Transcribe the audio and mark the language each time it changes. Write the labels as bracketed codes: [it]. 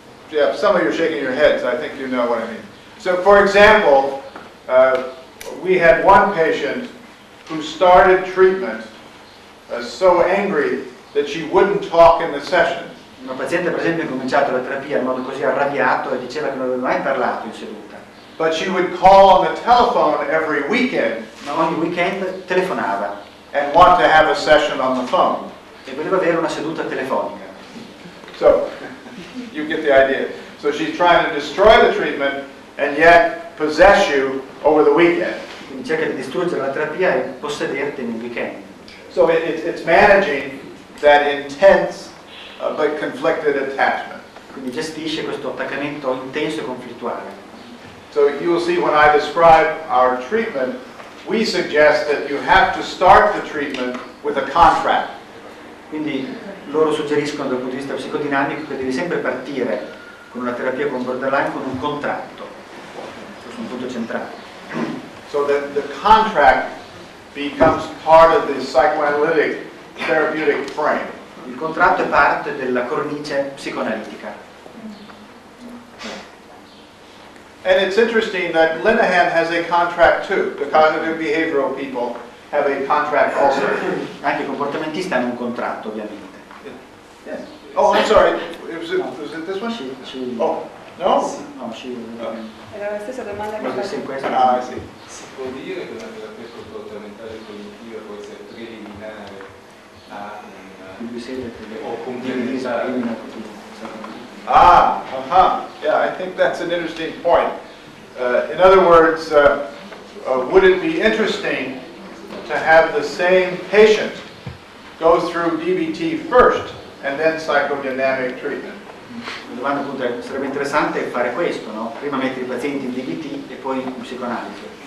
[en] Yeah, some of you are shaking your heads. I think you know what I mean. So, for example, we had one patient who started treatment so angry that she wouldn't talk in the session. [it] Una paziente, per esempio, ha cominciato la terapia in modo così arrabbiato e diceva che non aveva mai parlato in seduta. [en] But she would call on the telephone every weekend. [it] Ma ogni weekend telefonava. [en] And want to have a session on the phone. [it] E voleva avere una seduta telefonica. [en] So, you get the idea. So she's trying to destroy the treatment and yet possess you over the weekend. [it] Cerca di distruggere la terapia e possederti nel weekend. [en] So it's managing that intense but conflicted attachment. [it] Quindi gestisce questo attaccamento intenso e conflittuale. [en] So you will see when I describe our treatment, we suggest that you have to start the treatment with a contract. [it] Quindi loro suggeriscono dal punto di vista psicodinamico che devi sempre partire con una terapia con borderline con un contratto. Questo è un punto centrale. [en] So that the contract becomes part of the psychoanalytic therapeutic frame. [it] Il contratto è parte della cornice psicoanalitica. [en] And it's interesting that Linehan has a contract too. The cognitive behavioral people have a contract also. [it] Anche i comportamentisti hanno un contratto, ovviamente. [en] Yes. Oh, I'm sorry. Was it this one? She. Oh, no? No, she. [it] Era la stessa domanda che in questa. Ah, sì. Si può dire che una terapia comportamentale cognitiva può essere preliminare a una o complementare. [en] Yeah, I think that's an interesting point. In other words, would it be interesting to have the same patient go through DBT first? And then psychodynamic treatment. [it] La domanda appunto sarebbe interessante fare questo, no? Prima mettere i pazienti in DBT e poi in psicoanalisi.